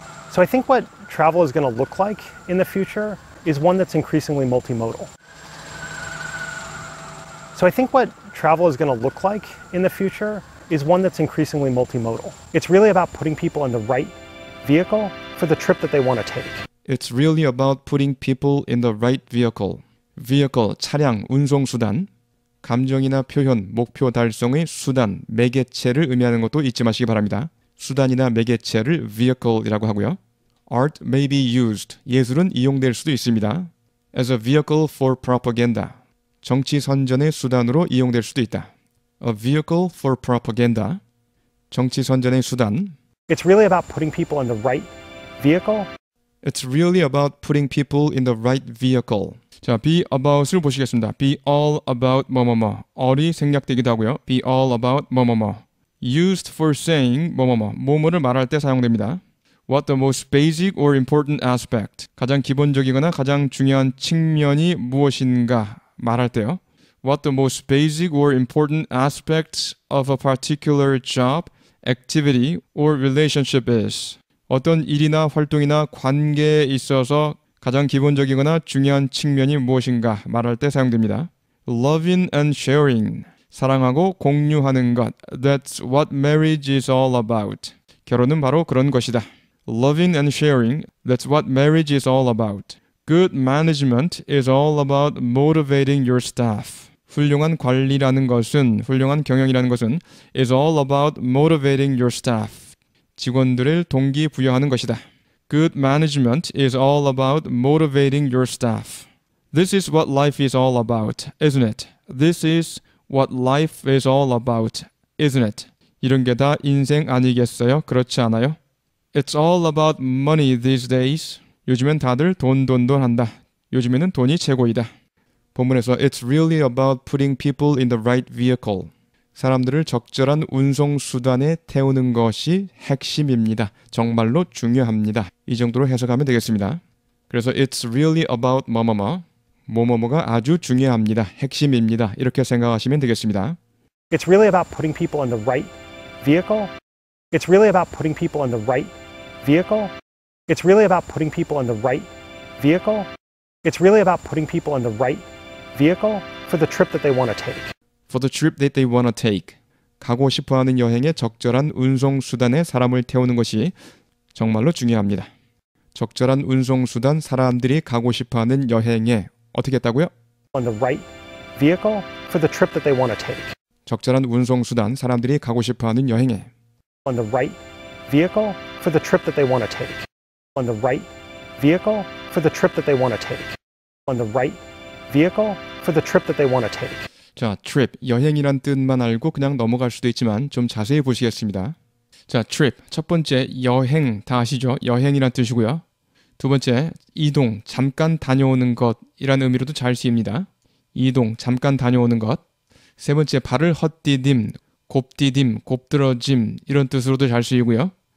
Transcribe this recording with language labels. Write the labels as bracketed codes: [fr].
[en] So I think what travel is going to look like in the future is one that's increasingly multimodal. So I think what travel is going to look like in the future is one that's increasingly multimodal. It's really about putting people in the right vehicle for the trip that they want to take. It's really about putting people in the right vehicle. [ko] Vehicle, 차량, 운송수단, 감정이나 표현, 목표 달성의 수단, 매개체를 의미하는 것도 잊지 마시기 바랍니다. 수단이나 매개체를 vehicle이라고 하고요. [en] Art may be used. [ko] 예술은 이용될 수도 있습니다. [en] As a vehicle for propaganda. [ko] 정치 선전의 수단으로 이용될 수도 있다. [en] A vehicle for propaganda. [ko] 정치 선전의 수단. [en] It's really about putting people in the right vehicle. It's really about putting people in the right vehicle. [ko] 자, be about을 보시겠습니다. [en] Be all about 뭐뭐뭐. All이 [ko] 생략되기도 하고요. [en] Be all about 뭐뭐뭐. Used for saying 뭐뭐뭐. [ko] 뭐뭐를 말할 때 사용됩니다. [en] What the most basic or important aspect? [ko] 가장 기본적이거나 가장 중요한 측면이 무엇인가 말할 때요. [en] What the most basic or important aspect of a particular job, activity, or relationship is? [ko] 어떤 일이나 활동이나 관계에 있어서 가장 기본적이거나 중요한 측면이 무엇인가 말할 때 사용됩니다. [en] Loving and sharing. [ko] 사랑하고 공유하는 것. [en] That's what marriage is all about. [ko] 결혼은 바로 그런 것이다. [en] Loving and sharing, that's what marriage is all about. Good management is all about motivating your staff. [ko] 훌륭한 관리라는 것은, 훌륭한 경영이라는 것은, [en] is all about motivating your staff. [ko] 직원들을 동기부여하는 것이다. [en] Good management is all about motivating your staff. This is what life is all about, isn't it? This is what life is all about, isn't it? [ko] 이런 게다 인생 아니겠어요? 그렇지 않아요? [en] It's all about money these days. [ko] 요즘엔 다들 돈돈돈한다. 요즘에는 돈이 최고이다. [en] 본문에서 It's really about putting people in the right vehicle. [ko] 사람들을 적절한 운송수단에 태우는 것이 핵심입니다. 정말로 중요합니다. 이 정도로 해석하면 되겠습니다. [en] 그래서 It's really about 뭐뭐뭐. [ko] 뭐뭐뭐가 아주 중요합니다. 핵심입니다. 이렇게 생각하시면 되겠습니다. [en] It's really about putting people in the right vehicle. It's really about putting people in the right vehicle. It's really about putting people in the right vehicle. It's really about putting people in the right vehicle for the trip that they want to take. For the trip that they want to take. [ko] 가고 싶어 하는 여행에 적절한 운송수단에 사람을 태우는 것이 정말로 중요합니다. 적절한 운송수단 사람들이 가고 싶어 하는 여행에 어떻게 했다고요? [en] On the right vehicle for the trip that they want to take. [ko] 적절한 운송수단, 사람들이 가고 싶어하는 여행에. [en] On the right vehicle for the trip that they want to take. On the right vehicle for the trip that they want to take. On the right vehicle for the trip that they want to take. [ko] 자, trip, 여행이란 뜻만 알고 그냥 넘어갈 수도 있지만 좀 자세히 보시겠습니다. 자, trip, 첫 번째, 여행, 다 아시죠? 여행이란 뜻이고요. 두 번째, 이동, 잠깐 다녀오는 것이라는 의미로도 잘 쓰입니다. 이동, 잠깐 다녀오는 것. 세 번째, 발을 헛디딤, 곱디딤, 곱들어짐 이런 뜻으로도 잘 쓰이고요.